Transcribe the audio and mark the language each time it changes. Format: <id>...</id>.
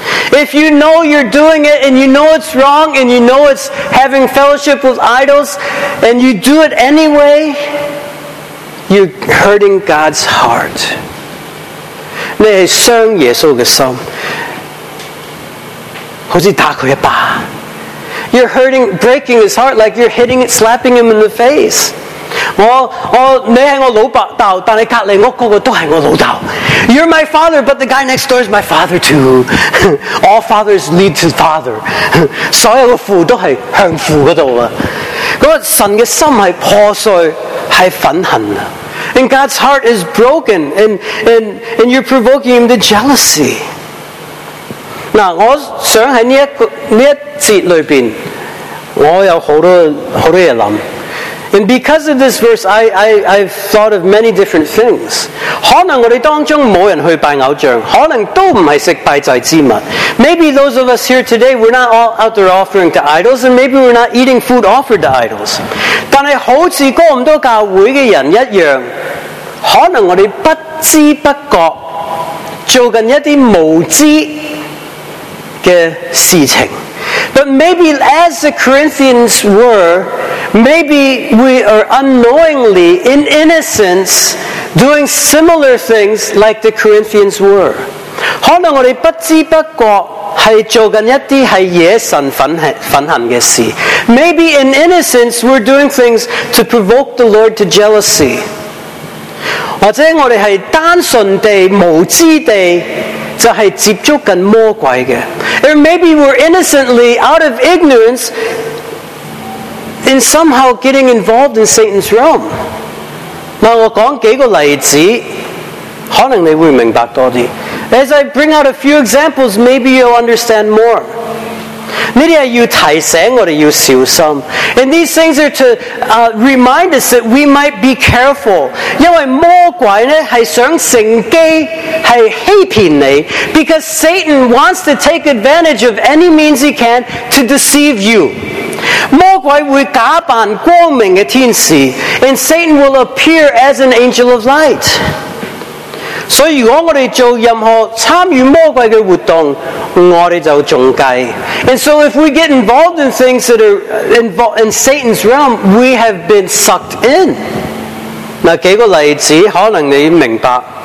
<en>If you know you're doing it and you know it's wrong and you know it's having fellowship with idols and you do it anyway, you're hurting God's heart.</en> <yue>你是伤耶稣的心，好像打他一巴。</yue> <en>You're hurting, breaking his heart like you're hitting it, slapping him in the face.</en> <yue>你是我老豆，但是隔壁屋个个都是我老豆。</yue> <en>You're my father, but the guy next door is my father too. All fathers lead to father.</en> <yue>所有的父都是向父那里。那个神的心是破碎，是愤恨的。</yue> <en>And God's heart is broken, and you're provoking him to jealousy.</en> <yue>那我想在这一节里面，我有好多好多嘢谂。</yue> <en>And because of this verse, I've thought of many different things.</en> <yue>可能我哋当中冇人去拜偶像，可能都唔系食拜祭之物。</yue> <en>Maybe those of us here today, we're not all out there offering to idols, and maybe we're not eating food offered to idols.</en> <yue>但系好似咁多教会嘅人一样，可能我哋不知不觉做紧一啲无知嘅事情。</yue> <en>But maybe as the Corinthians were, maybe we are unknowingly, in innocence, doing similar things like the Corinthians were.</en> <yue>可能我们不知不觉是做着一些是惹神愤恨的事。</yue> <en>Maybe in innocence we're doing things to provoke the Lord to jealousy.</en> <yue>或者我们是单纯地、无知地就是接触着魔鬼的。</yue> <en>Or maybe we're innocently, out of ignorance, in somehow getting involved in Satan's realm.</en> <yue>那我讲几个例子，可能你会明白多啲。</yue> <en>As I bring out a few examples, maybe you'll understand more.</en> <yue>呢啲系要提醒我哋要小心。</yue> <en>And these things are to remind us that we might be careful.</en> <yue>因为魔鬼呢系想乘机系欺骗你。</yue> <en>Because Satan wants to take advantage of any means he can to deceive you.</en> <yue>魔鬼会假扮光明嘅天使，</yue> <en>and Satan will appear as an angel of light.</en> <yue>所以如果我哋做任何参与魔鬼嘅活动，我哋就中计。</yue> <en>And so if we get involved in things that are involved in Satan's realm, we have been sucked in.</en> <yue>那几个例子可能你明白。</yue>